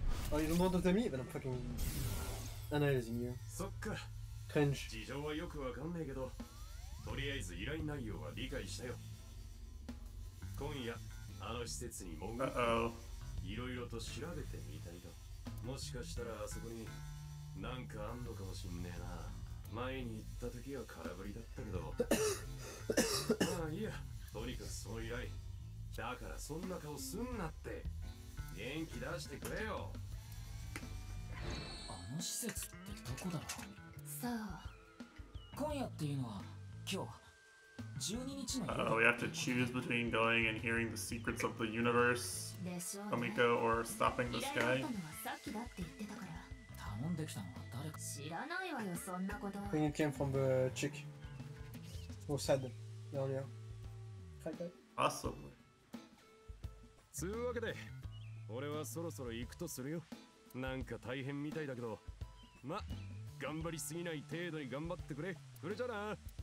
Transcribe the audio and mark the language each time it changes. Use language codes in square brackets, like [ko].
[en] Oh, you don't want to meet, but I'm fucking annihilating you. [ja] そっか。 [en] Cringe。 [ja] 事情はよくわかんねえけど、とりあえず依頼内容は理解したよ。今夜あの施設に潜り、いろいろと調べてみたいと。もしかしたらあそこになんかあんのかもしんねえな。前に行った時は空振りだったけど。まあいいや、とにかくその依頼。だからそんな顔すんなって。元気出してくれよ。あの施設ってどこだろう。さあ、今夜っていうのは今日12日の夜。 [en] We have to choose between going and hearing the secrets of the universe, Kamiko, or stopping this guy. [ja] 頼んできたのは誰か。知らないわよそんなこと。 [en] When you came from the chick who said earlier, possibly. [ja] つうわけで。俺はそろそろ行くとするよ。なんか大変みたいだけど、ま、頑張りすぎない程度に頑張ってくれ。それじゃな。